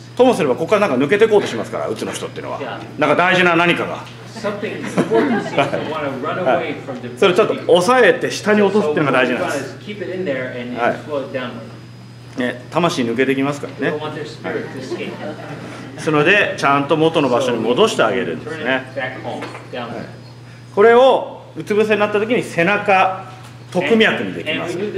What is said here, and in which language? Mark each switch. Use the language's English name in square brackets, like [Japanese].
[Japanese] ともすればここからなんか抜けていこうとしますから、うつの人っていうのは、 [English] yeah. [Japanese] なんか大事な何かが。 [English] Something important seems to want to run away from the. [Japanese] それちょっと抑えて下に落とすっていうのが大事なんです。 [English] So keep it in there and slow it downward. [Japanese] ね、魂抜けてきますからね。 [English] They want their spirit to escape. [Japanese] そのでちゃんと元の場所に戻してあげるんですね。はい、これをうつ伏せになった時に背中特脈にできます。